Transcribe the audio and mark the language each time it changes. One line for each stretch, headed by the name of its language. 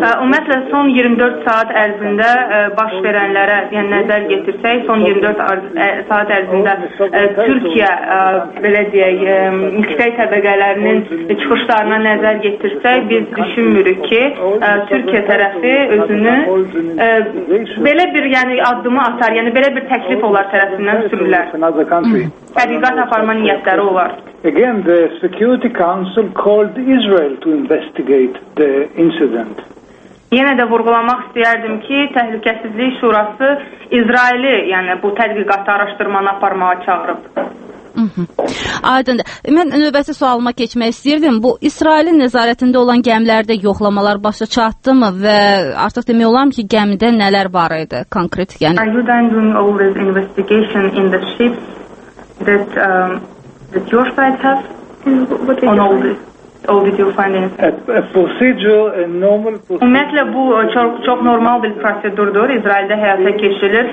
Azerbaijani: Ümumiyyətlə, son 24 saat ərzində baş verənlərə yəni nəzər getirsək, son 24 saat ərzində Türkiyə, belə deyək, yüksək təbəqələrinin çıxışlarına nəzər getirsək, biz düşünmürük ki, Türkiyə tərəfi özünü belə bir yəni addımı atar, yəni belə bir təklif onlar tərəfindən sürülər. Tədqiqat aparma niyyətləri olar.
English: Again, the Security Council called Israel to investigate the incident.
Azerbaijani: Yenə də vurgulamaq istəyərdim ki, Təhlükəsizlik Şurası İsraili, yəni bu tədqiqatı araşdırmanı aparmağa çağırıb. Aydındır. Mən növbəti sualıma keçmək istəyirdim. Bu, İsrailin nəzarətində olan gəmilərdə yoxlamalar başa çatdı mı və artıq demək olar ki, gəmidə nələr var idi konkret? Yəni?
English: Are you then doing all this investigation in the ships that your side has? What did on you all find? This? Or did you find anything? A procedure, a normal procedure.
Azerbaijani: Ümumiyyətlə, bu çox normal bir prosedurdur. İsraildə həyata keçirilir.